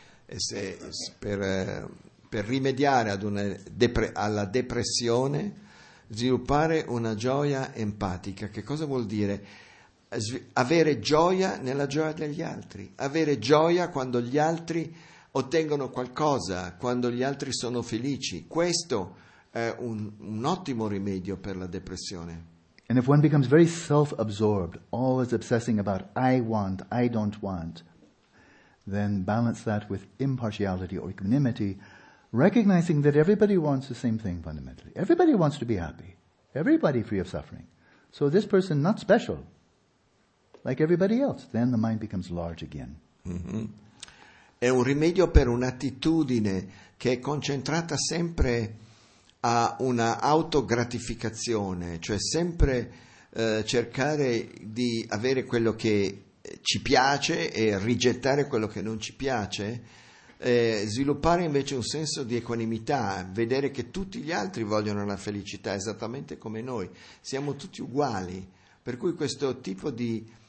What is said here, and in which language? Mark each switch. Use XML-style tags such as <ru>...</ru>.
<it>E se per rimediare ad una alla depressione, sviluppare una gioia empatica. Che cosa vuol dire? Avere gioia nella gioia degli altri. Avere gioia quando gli altri ottengono qualcosa, quando gli altri sono felici. Questo è un ottimo rimedio per la depressione.</it> <en>And if one becomes very self-absorbed, always obsessing about I want, I don't want, then balance that with impartiality or equanimity, recognizing that everybody wants the same thing fundamentally. Everybody wants to be happy. Everybody free of suffering. So this person not special, like everybody else. Then the mind becomes large again. Mm-hmm.</en> <it>È un rimedio per un'attitudine che è concentrata sempre a una autogratificazione, cioè sempre cercare di avere quello che ci piace e rigettare quello che non ci piace, sviluppare invece un senso di equanimità, vedere che tutti gli altri vogliono la felicità esattamente come noi, siamo tutti uguali, per cui questo tipo di</it>